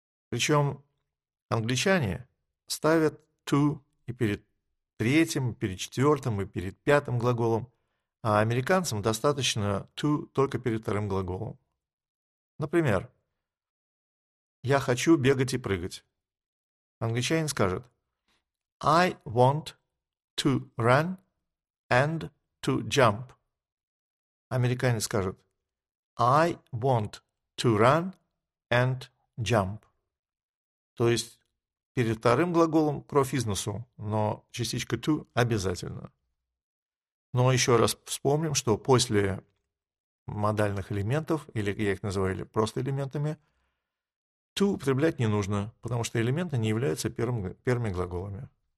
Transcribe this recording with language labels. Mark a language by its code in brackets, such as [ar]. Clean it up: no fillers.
[ru] Причем англичане ставят to и перед третьим, и перед четвертым, и перед пятым глаголом, а американцам достаточно to только перед вторым глаголом. Например, я хочу бегать и прыгать. Англичанин скажет [en] I want to run and to jump. [ru] Американец скажет [en] I want to run and jump. [ru] То есть перед вторым глаголом кровь из носу, но частичка to обязательно. Но еще раз вспомним, что после модальных элементов, или я их называю просто элементами, to употреблять не нужно, потому что элементы не являются первыми глаголами.